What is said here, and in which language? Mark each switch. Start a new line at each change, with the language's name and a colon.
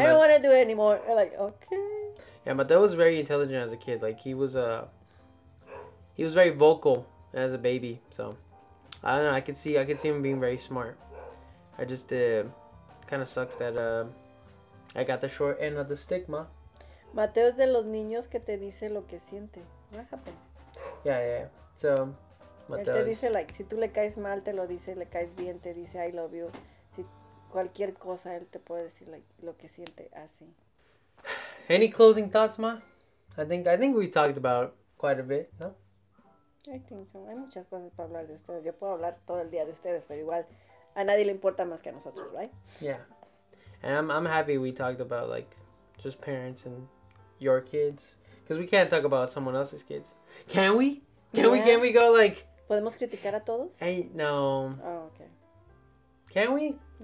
English: I don't want to do it anymore. We're like, okay. Yeah, Mateo was very intelligent as a kid. Like, he was very vocal as a baby. So, I don't know. I could see him being very smart. I just kind of sucks that I got the short end of the stick, ma.
Spanish: Mateo es de los niños que te dice lo que siente.
English: What happened? Yeah. So, Mateo.
Spanish: Él te dice, like, si tú le caes mal, te lo dice, le caes bien, te dice,
English: I love you.
Spanish: Si cualquier cosa, él te puede decir, like, lo que siente así.
English: Any closing thoughts, ma? I think we talked about quite a bit, no? I think so.
Spanish: Hay muchas cosas para hablar de ustedes. Yo puedo hablar todo el día de ustedes, pero igual a nadie le importa más que a nosotros, right?
English: Yeah. And I'm happy we talked about, like, just parents and your kids. Because we can't talk about someone else's kids. Can we? Can we go, like...
Spanish: ¿Podemos criticar a todos?
English: Hey, no. Oh, okay. Can we?